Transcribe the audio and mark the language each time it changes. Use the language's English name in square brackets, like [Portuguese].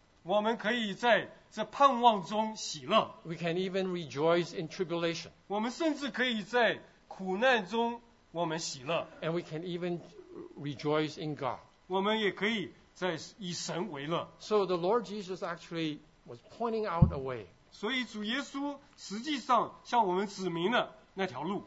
[Chinese] 我们可以在这盼望中喜乐。 [English] We can even rejoice in tribulation. [Chinese] 我们甚至可以在苦难中我们喜乐。 [English] And we can even rejoice in God. [Chinese] 我们也可以在以神为乐。 [English] So the Lord Jesus actually was pointing out a way. [Chinese] 所以主耶稣实际上向我们指明了那条路。